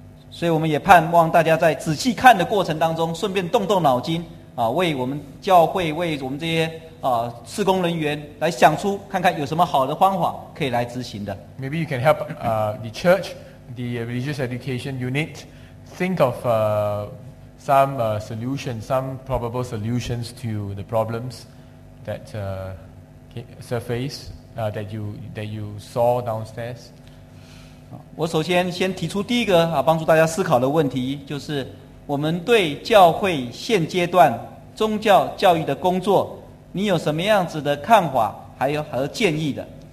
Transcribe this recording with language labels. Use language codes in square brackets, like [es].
[zh] 所以我们也盼望大家在仔细看的过程当中，顺便动动脑筋为我们教会，为我们这些。事工人员来想出看看有什么好的方法可以来执行的。 [en] Maybe you can help the church, the religious education unit, think of some solutions, some probable solutions to the problems that surface that you saw downstairs. [zh] 我首先提出第一个帮助大家思考的问题，就是我们对教会现阶段宗教教育的工作。你有什么样子的看法，还有和建议的